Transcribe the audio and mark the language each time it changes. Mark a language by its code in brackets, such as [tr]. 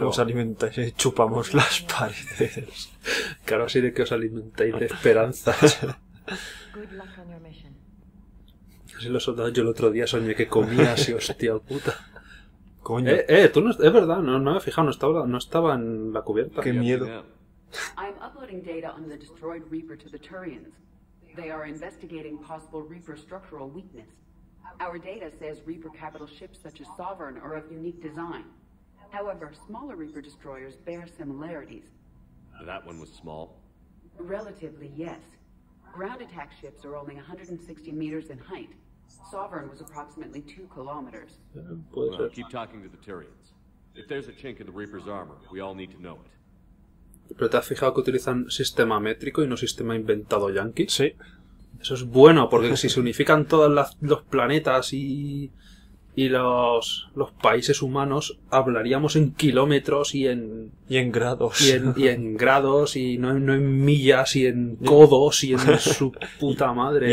[es] ¿Cómo os alimentáis? Chupamos las paredes. Claro, así de que os alimentáis de esperanzas. Así los soldados, yo el otro día soñé que comía así, hostia puta. Coño. Tú no, es verdad, no, no me he fijado, no estaba en la cubierta. Qué miedo. [en] I'm uploading data on the destroyed Reaper to the Turians. They are investigating possible Reaper structural weakness. Our data says Reaper capital ships such as Sovereign are of unique design. However, smaller Reaper destroyers bear similarities. That one was small. Relatively, yes. Ground attack ships are only 160 meters in height. Sovereign was approximately 2 kilometers. Well, keep talking to the Tyrians. If there's a chink in the Reaper's armor, we all need to know it. [es] ¿Pero te has fijado que utilizan sistema métrico y no sistema inventado yanqui? Sí. Eso es bueno, porque si se unifican todos los planetas y los países humanos, hablaríamos en kilómetros y en... Y en grados. Y en grados, y no en millas, y en codos, y en su puta madre.